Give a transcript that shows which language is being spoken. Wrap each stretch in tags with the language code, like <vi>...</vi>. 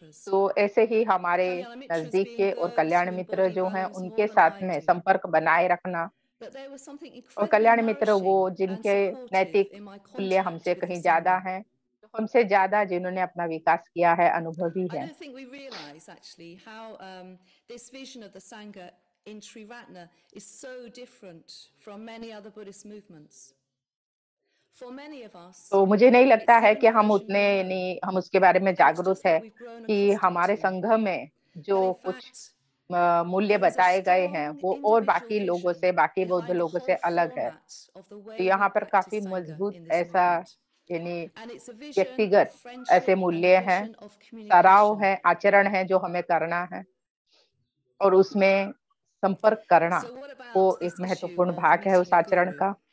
<hi>तो ऐसे ही हमारे नजदीक के और कल्याण मित्र जो हैं, उनके साथ में संपर्क बनाए रखना. और कल्याण मित्र वो जिनके नैतिक मूल्य हमसे कहीं ज्यादा हैं, उनसे ज्यादा जिन्होंने अपना विकास किया है अनुभवी है.</hi> <en>In Sri Ratna is so different from many other Buddhist movements. For many of us,</en> <hi>तो मुझे नहीं लगता है कि हम उतने नहीं हम उसके बारे में जागरूक है कि हमारे संघ में जो कुछ मूल्य बताए गए हैं वो और बाकी लोगों से बाकी बौद्ध लोगों से अलग है. तो यहाँ पर काफी मजबूत ऐसा यानी व्यक्तिगत ऐसे मूल्य हैं, सराव है, आचरण है जो हमें करना है और उसमें संपर्क करना वो एक महत्वपूर्ण भाग है उस आचरण का.</hi>